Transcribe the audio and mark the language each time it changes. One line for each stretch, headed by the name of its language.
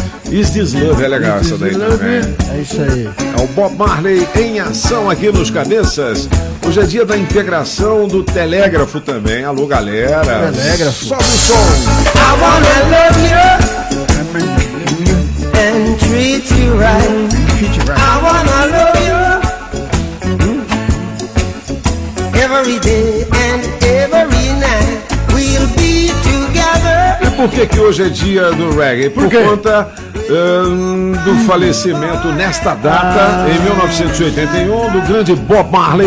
Portuguese: Is This Love, é legal essa daí também. É isso aí. É o Bob Marley em ação aqui nos Cabeças. Hoje é dia da integração do Telégrafo também. Alô, galera. Telégrafo. Sobe o som.
English: I wanna love you and treat you right. I wanna love you every day and every night. We'll be together.
Portuguese: E por que que hoje é dia do reggae? Por conta do falecimento nesta data, em 1981, do grande Bob Marley.